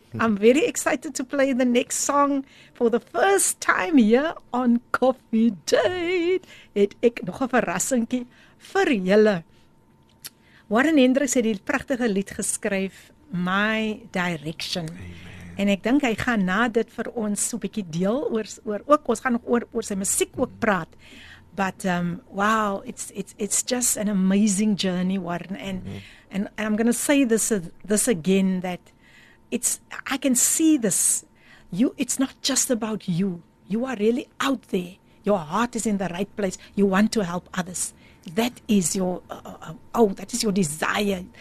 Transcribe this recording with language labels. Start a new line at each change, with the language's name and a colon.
English: I'm very excited to play the next song for the first time here on Coffee Date.
Afrikaans: Het ek nog 'n verrassingkie vir julle. Warren Hendricks het die prachtige lied geskryf, My Direction. Amen. En ek dink hy gaan na dit vir ons so 'n bietjie deel oor ook ons gaan nog oor sy musiek ook praat.
English: But wow, it's just an amazing journey, Warren. And and I'm going to say this again, that I can see this. You, it's not just about you. You are really out there. Your heart is in the right place. You want to help others. That is your that is your desire.